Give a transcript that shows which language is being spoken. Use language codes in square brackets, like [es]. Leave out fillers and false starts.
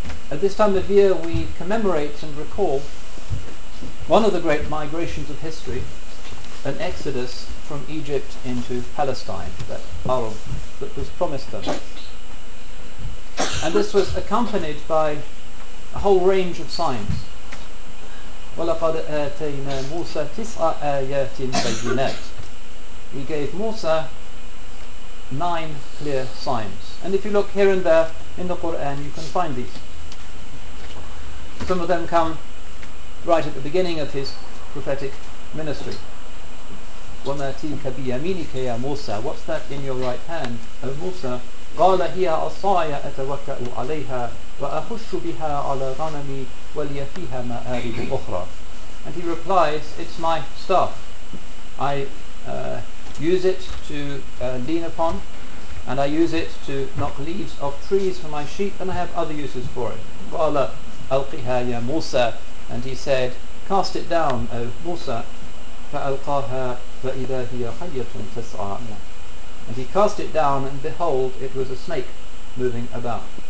[en] At this time of year, we commemorate and recall one of the great migrations of history, an exodus from Egypt into Palestine, that Arab that was promised us. And this was accompanied by a whole range of signs. [ar] وَلَقَدْ آتَيْنَا مُوسَى تِسْعَ آيَاتٍ بَيِّنَاتٍ [en] We gave Musa 9 clear signs. And if you look here and there in the Qur'an, you can find these. Some of them come right at the beginning of his prophetic ministry. [ar] وَمَا تِلْكَ بِيَمِينِكَ يَا مُوسَى [en] What's that in your right hand, O Musa? [ar] قال هي عصاي أتوكأ عليها وأخش بها على غنمي ولي فيها مآرب أخرى [en] And he replies, it's my staff. I use it to lean upon and I use it to knock leaves off trees for my sheep and I have other uses for it. [ar] قال ألقها يا موسى [en] And he said, cast it down, O Musa. [ar] فألقاها فإذا هي حية تسعى [en] And he cast it down, and behold, it was a snake moving about.